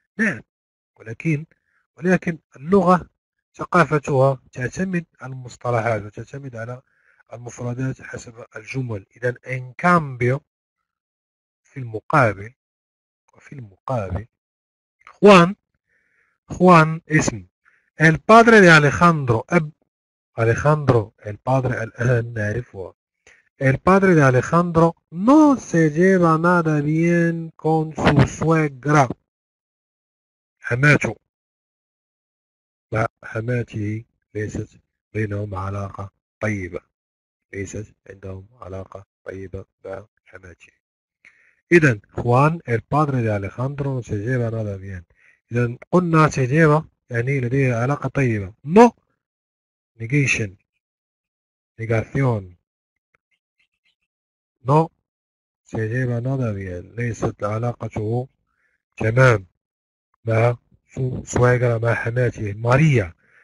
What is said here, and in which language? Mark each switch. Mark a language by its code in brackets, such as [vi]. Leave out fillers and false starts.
[ar] نعم، ولكن اللغة ثقافتها تعتمد على المصطلحات وتعتمد على المفردات حسب الجمل. إذا إن كامبيو في المقابل خوان اسم. [es] El padre de Alejandro أب Alejandro el padre [ar] الآن نعرفه. [es] El padre de Alejandro no se lleva nada bien con su suegra. [ar] حماته ليست عندهم علاقة طيبة مع حماته. [es] إذن Juan el padre de Alejandro no se lleva nada bien. [ar] إذن قلنا [es] se lleva [ar] يعني لديه علاقة طيبة. [es] No negación. No se lleva nada bien. [ar] ليست علاقته تمام مع سويغرا، مع حماته ماريا.